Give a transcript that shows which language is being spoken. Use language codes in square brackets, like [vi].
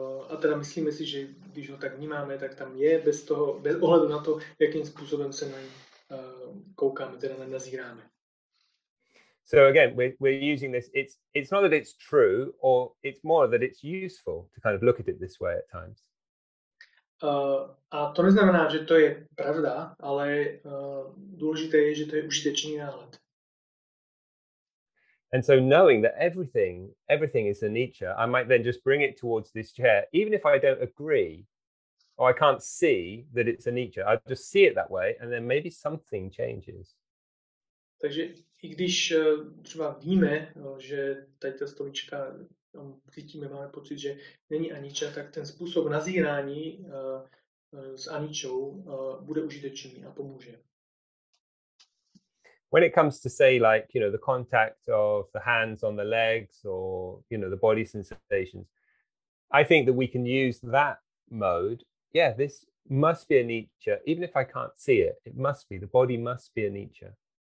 [cs] A teda myslíme si, že když ho tak vnímáme, tak tam je bez toho, bez ohledu na to, jakým způsobem se na něj koukáme, teda na nazíráme. [en] So again, we're using this. It's not that it's true, or it's more that it's useful to kind of look at it this way at times. [cs] A to neznamená, že to je pravda, ale důležité je, že to je užitečný náhled. [en] And so knowing that everything is anicca, I might then just bring it towards this chair, even if I don't agree, or I can't see that it's anicca. I just see it that way, and then maybe something changes. [cs] Takže i když třeba víme, že tady ta stolička, cítíme, máme pocit, že není aniča, tak ten způsob nazírání s aničou bude užitečný a pomůže. [en] When it comes to say like, you know, the contact of the hands on the legs or, you know, the body sensations, I think that we can use that mode. Yeah, this must be aniča, even if I can't see it, it must be, the body must be aniča.